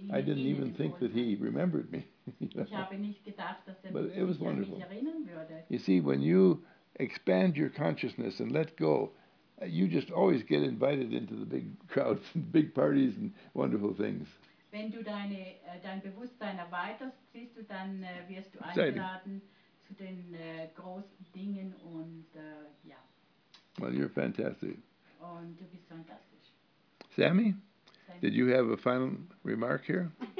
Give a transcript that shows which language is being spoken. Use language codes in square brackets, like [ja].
[en] I didn't even think that he remembered me. [de] Ich habe nicht gedacht, dass er mich erinnern würde. [en] You see, when you expand your consciousness and let go, you just always get invited into the big crowds and big parties and wonderful things. [de] Wenn du dein Bewusstsein erweiterst, siehst du, dann wirst du eingeladen zu den großen Dingen und ja. [en] Well, you're fantastic. [de] Und du bist fantastisch. [en] Sammy, did you have a final remark here?